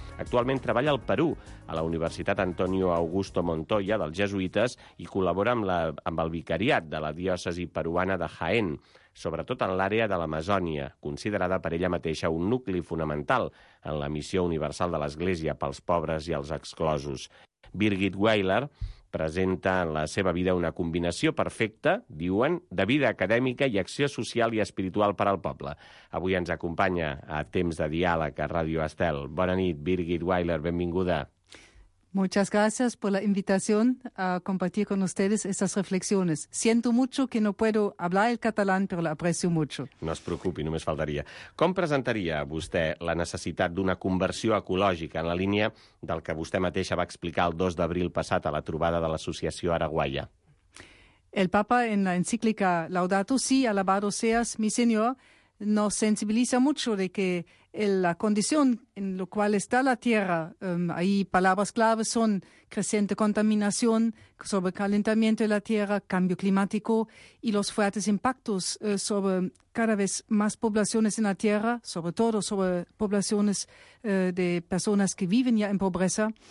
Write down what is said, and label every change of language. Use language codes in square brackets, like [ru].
[ca] Actualment treballa al Perú, a la Universitat Antonio Augusto Montoya dels Jesuïtes i col·labora amb el vicariat de la diòcesi peruana de Jaén, sobretot en l'àrea de l'Amazònia, considerada per ella mateixa un nucli fonamental en la missió universal de l'Església pels pobres i els exclosos. Birgit Weiler presenta en la seva vida una combinació perfecta, diuen, de vida acadèmica i acció social i espiritual per al poble. Avui ens acompanya a Temps de Diàleg a Ràdio Estel. Bona nit, Birgit Weiler, benvinguda. [es] Muchas gracias por la invitación a compartir con ustedes estas reflexiones. Siento mucho que no puedo hablar el catalán, pero lo aprecio mucho. [ca] No es preocupi, només faltaria. Com presentaria vostè la necessitat d'una conversió ecològica en la línia del que vostè mateixa va explicar el 2 d'abril passat a la trobada de l'Associació Araguaia? [es] El Papa, en la encíclica Laudato Si, alabado seas, mi señor, nos sensibiliza mucho de que la condición en la cual está la Tierra, ahí palabras claves son creciente contaminación, sobrecalentamiento de la Tierra, cambio climático y los fuertes impactos sobre cada vez más poblaciones en la Tierra, sobre todo sobre poblaciones de personas que viven ya en pobreza.